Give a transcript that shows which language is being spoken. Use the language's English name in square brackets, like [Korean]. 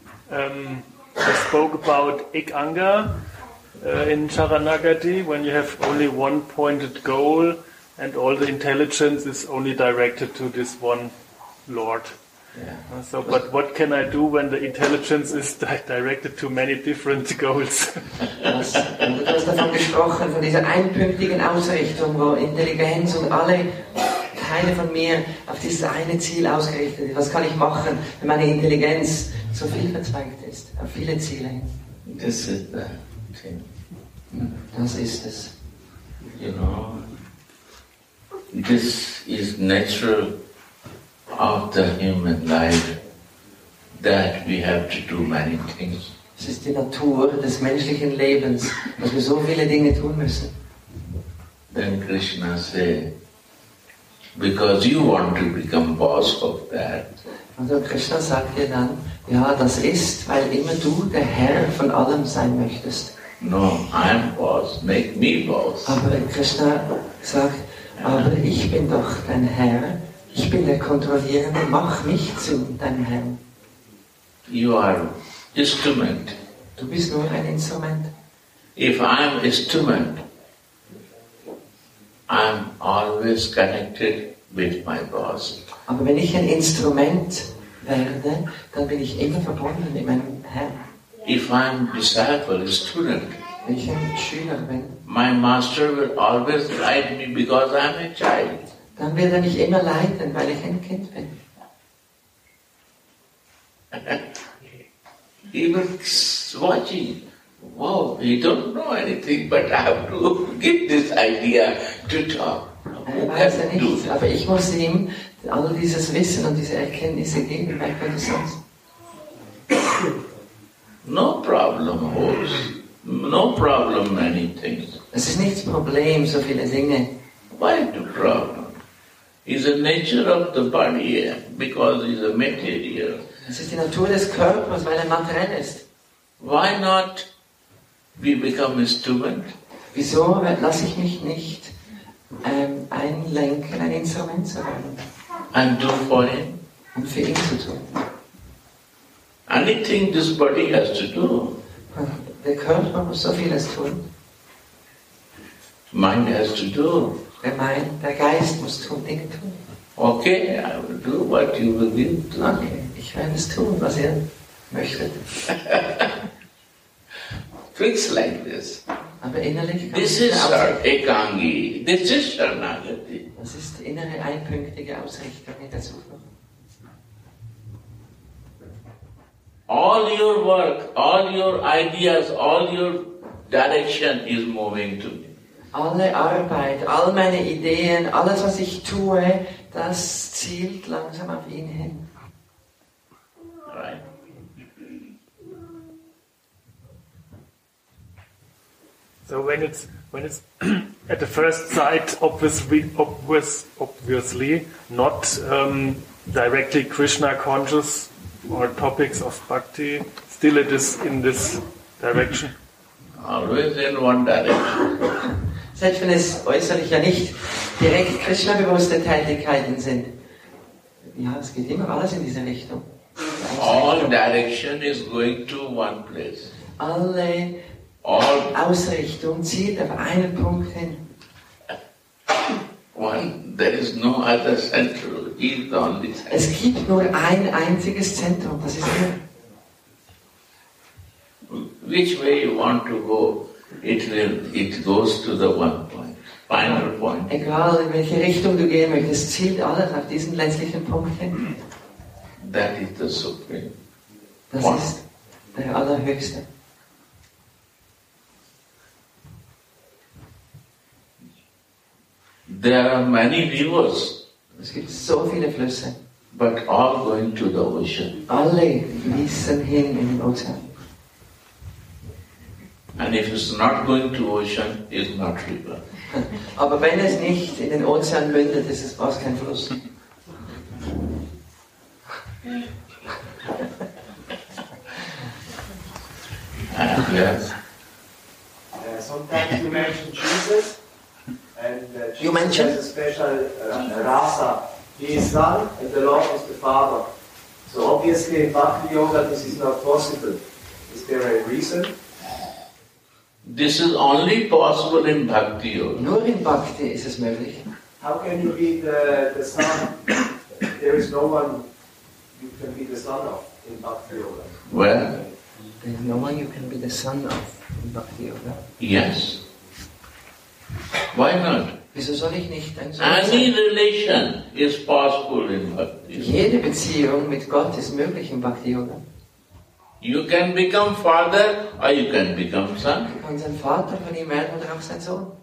[English] You spoke about ik anga in Charanagati when you have only one pointed goal and all the intelligence is only directed to this one Lord. Yeah. So, but what can I do when the intelligence is directed to many different goals? [German] Du hast davon gesprochen, von dieser einpünktigen Ausrichtung, wo Intelligenz und alle Teile von mir auf dieses eine Ziel ausgerichtet sind. Was kann ich machen, wenn meine Intelligenz so viel verzweigt ist, auf viele Ziele hin? [English] This is the thing. [German] Das ist es. [English] You know, this is natural of the human life that we have to do many things. [German] Es ist die Natur des menschlichen Lebens, dass wir so viele Dinge tun müssen. [English] Then Krishna said, because you want to become boss of that. [German] Also Krishna sagt dir dann, ja, das ist, weil immer du der Herr von allem sein möchtest. [English] No, I am boss, make me boss. [German] Aber Krishna sagt, aber ich bin doch dein Herr, ich bin der Kontrollierende, mach mich zu deinem Herrn. [English] You are instrument. [German] Du bist nur ein Instrument. [English] If I am instrument, I'm always connected with my boss. [German] Aber wenn ich ein Instrument werde, dann bin ich immer verbunden mit meinem Herrn. [English] If I'm disciple, student, [German] wenn ich ein Schüler bin, [English] my master will always guide me because I'm a child. [German] Dann wird mich immer leiten, weil ich ein Kind bin. [English] He was watching. Wow, he don't know anything, but I have to give this idea to talk. [German] Weiß er nicht, aber ich muss ihm all dieses Wissen und diese Erkenntnisse geben, weil könnte sonst. [English] No problem, Horst. No problem, many things. [German] Es ist nichts Problem, so viele Dinge. [English] Why the problem? It's the nature of the body, because it's a material. [German] Es ist die Natur des Körpers, weil er materiell ist. [English] Why not? We become a student. [German] Wieso lasse ich mich nicht einlenken, ein Instrument zu werden? [English] And do for him. [German] Und für ihn zu tun. [English] Anything this body has to do. [German] Der Körper muss so vieles tun. [English] Mind has to do. [German] Der Geist muss Dinge tun. [English] Okay, I will do what you will give. [German] Okay, ich werde es tun, was ihr möchtet. [English] Fixed like this. [German] Aber innerlich [English] this is Ekangi. This is Sharanagati. [German] Das ist die innere einpünktige Ausrichtung in der Zukunft. [English] All your work, all your ideas, all your direction is moving to me. [German] Alle Arbeit, all meine Ideen, alles was ich tue, das zielt langsam auf ihn hin. [English] Right. So when it's at the first sight obviously not directly Krishna conscious or topics of bhakti, still it is in this direction. Always in one direction. [German] Selbst wenn es äußerlich ja nicht direkt Krishna bewusste Tätigkeiten sind, ja, es geht immer alles in diese Richtung. [English] All direction is going to one place. [German] Alle Ausrichtung zielt auf einen Punkt hin. [English] One, there is no other central. He's the only central. [German] Es gibt nur ein einziges Zentrum, das ist er. [English] Which way you want to go, it will, it goes to the one point, final point. [German] Egal in welche Richtung du gehen möchtest, zielt alles auf diesen letztlichen Punkt hin. [English] That is the supreme. [German] Das [English] point. [German] Ist der Allerhöchste. [English] There are many rivers. [German] Es gibt so viele Flüsse. [English] But all going to the ocean. [German] Alle fließen hin in den Ozean. [English] And if it's not going to ocean, it's not river. [German] Aber wenn es nicht in den Ozean mündet, ist es fast kein Fluss. [English] Yes. Sometimes you mention Jesus. And you mentioned a special rasa. He is Son and the Lord is the Father. So obviously in Bhakti Yoga this is not possible. Is there a reason? This is only possible in Bhakti Yoga. [German] Nur in Bhakti ist es möglich. [English] How can you be the Son? There is no one you can be the Son of in Bhakti Yoga. Well, there is no one you can be the Son of in Bhakti Yoga. Yes. Why not? [German] Wieso soll ich nicht ein Sohn sein? [English] Any relation is possible in Bhakti Yoga. [German] Jede Beziehung mit Gott ist möglich in Bhakti Yoga. [English] You can become father or you can become son. [German] Du kannst ein Vater von ihm werden oder auch sein Sohn.